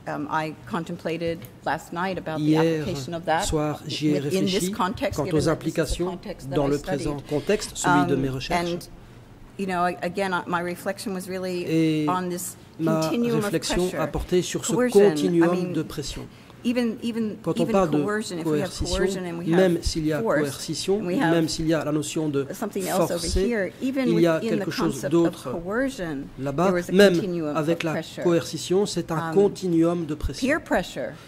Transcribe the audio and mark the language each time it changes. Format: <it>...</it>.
<en>I contemplated last night about the application of that.</en> <fr>Hier soir, j'y ai réfléchi quant aux implications dans le présent contexte, celui de mes recherches.</fr> <en>And, you know, again, my reflection was really on this continuum of pressure.</en> <fr>Ma réflexion a porté sur ce continuum de pression. Quand on parle de coercition, même s'il y a coercition, même s'il y a la notion de forcé, il y a quelque chose d'autre là-bas, même avec la coercition, c'est un continuum de pression.</fr>